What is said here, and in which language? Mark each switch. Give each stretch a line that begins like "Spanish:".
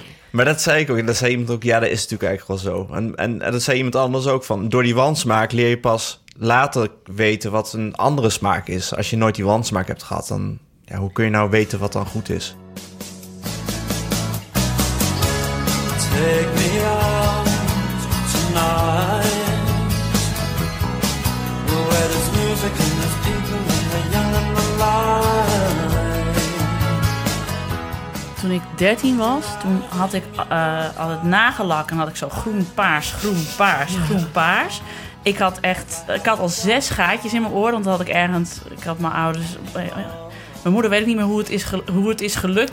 Dutch: Maar dat zei ik ook. En dat zei iemand ook. Ja, dat is natuurlijk eigenlijk wel zo. En dat zei iemand anders ook. Van door die wansmaak leer je pas later weten wat een andere smaak is. Als je nooit die wansmaak hebt gehad. Dan, ja, hoe kun je nou weten wat dan goed is?
English: Take me out tonight, where there's music and there's people and they're young and alive.
Dutch: Toen ik 13 was, toen had ik altijd nagellak en had ik zo groen, paars, groen, paars, groen, paars. Ik had echt, ik had al 6 gaatjes in mijn oren, want dat had ik ergens, ik had mijn ouders... Mijn moeder weet ook niet meer hoe het is gelukt.